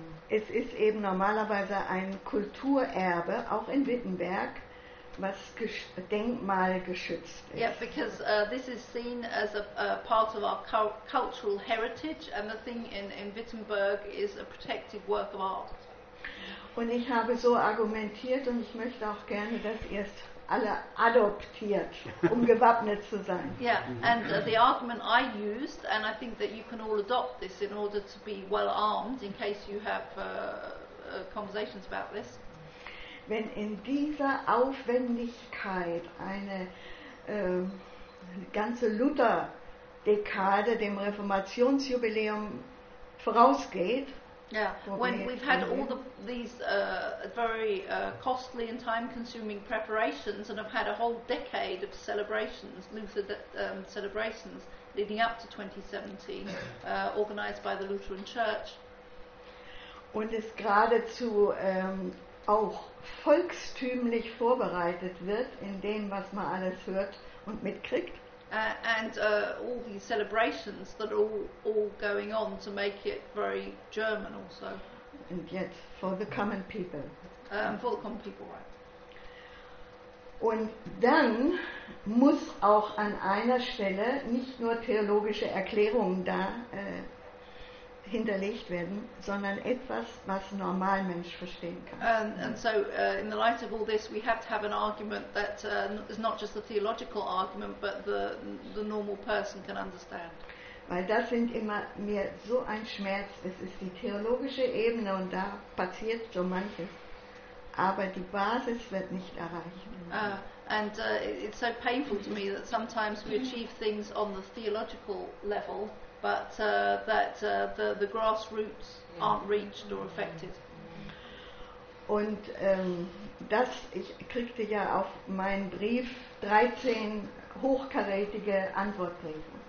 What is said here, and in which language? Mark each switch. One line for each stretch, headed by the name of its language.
German: Es ist eben normalerweise ein Kulturerbe, auch in Wittenberg, was denkmalgeschützt ist.
English: Yeah, because this is seen as a part of our cultural heritage, and the thing in Wittenberg is a protected work of art.
German: Und ich habe so argumentiert, und ich möchte auch gerne, dass ihr es alle adoptiert, um gewappnet zu sein.
English: Yeah, and the argument I used, and I think that you can all adopt this in order to be well armed, in case you have conversations about this.
German: Wenn in dieser Aufwendigkeit eine ganze Luther-Dekade dem Reformationsjubiläum vorausgeht.
English: Yeah, when we've had all these very costly and time-consuming preparations and have had a whole decade of celebrations, Luther celebrations, leading up to 2017, organized by the Lutheran Church.
German: Und es geradezu auch volkstümlich vorbereitet wird in dem, was man alles hört und mitkriegt.
English: All these celebrations that are all going on to make it very German also. And yet, for the common people. For the common people, right.
German: Und dann muss auch an einer Stelle nicht nur theologische Erklärungen da hinterlegt werden, sondern etwas, was ein Normalmensch verstehen kann.
English: And so, in the light of all this, we have to have an argument that is not just a theological argument, but the normal person can understand.
German: Weil das sind immer mir so ein Schmerz. Es ist die theologische Ebene und da passiert so manches, aber die Basis wird nicht erreicht.
English: It's so painful to me that sometimes we achieve things on the theological level, but that the grassroots aren't reached or affected.
German: Und das, ich kriegte ja auf meinen Brief 13 hochkarätige Antwortbriefe.